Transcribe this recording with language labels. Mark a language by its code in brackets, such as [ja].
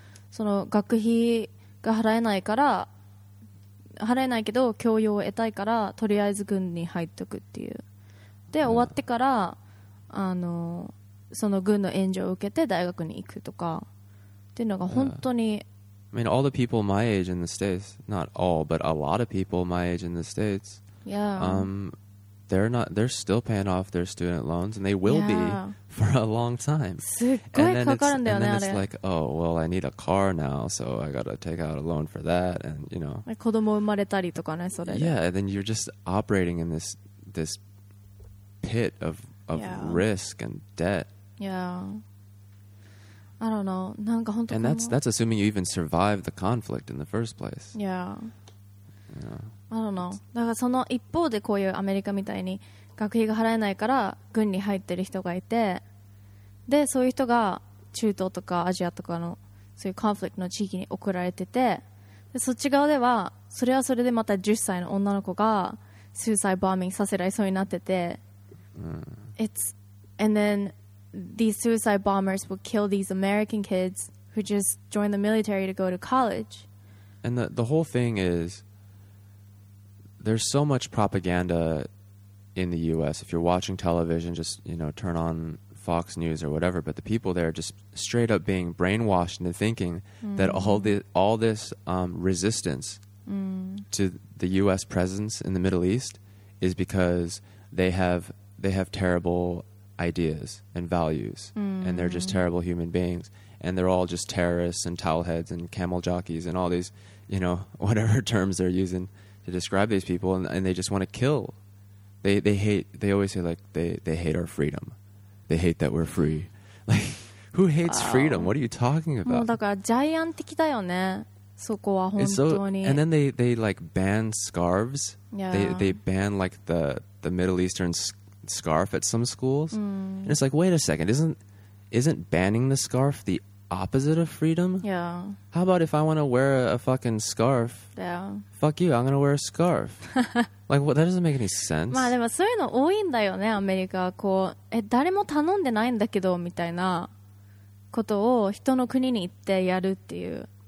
[ja] その学費が払えないから、払えないけど教養を得たいから、とりあえず軍に入っとくっていう。で、終わってから、あの、その軍の援助を受けて大学に行くとか、っていうのが本当に。 [en] I mean, all the people my age in the States, not all, but a lot of people my age in the States,they're still paying off their student loans, and they will be for a long time. [ja] すっごいかかるんだよね、あれ。 [en] And then it's like, oh, well, I need a car now, so I gotta take out a loan for that, and you know. [ja] 子供生まれたりとかね、それで。 [en] Yeah, and then you're just operating in this pit of risk and debt. Yeah. I don't know. [ja] なんか本当。 [en] And that's assuming you even survived the conflict in the first place. Yeah. I don't know. [ja] だからその一方でこういうアメリカみたいに学費が払えないから軍に入ってる人がいて、でそういう人が中東とかアジアとかのそういうコンフリクトの地域に送られてて、でそっち側ではそれはそれでまた10歳の女の子がスーサイドバーミングさせられそうになってて、うん、 [en] It's And then these suicide bombers would kill these American kids who just joined the military to go to college. And the whole thing is, there's so much propaganda in the U.S. If you're watching television, just, you know, turn on Fox News or whatever. But the people there are just straight up being brainwashed into thinking that all this resistance to the U.S. presence in the Middle East is because they have terrible ideas and values, and they're just terrible human beings, and they're all just terrorists and towel heads and camel jockeys and all these, you know, whatever terms they're using to describe these people, and they just want to kill. They hate. They always say, like, they hate our freedom. They hate that we're free. Like, who hates freedom? What are you talking about? [ja] もうだからジャイアン的だよね。そこは本当に。And [en] then they like ban scarves. Yeah. They ban like the Middle Eastern scarf at some schools. Mm. And it's like, wait a second, isn't banning the scarf the opposite of freedom? Yeah. How about if I want to wear a fucking scarf? Yeah. Fuck you, I'm going to wear a scarf. Like, well, that doesn't make any sense. [ja] まあでもそういうの多いんだよね、アメリカはこう、誰も頼んでないんだけどみたいなことを人の国に行ってやるっていう。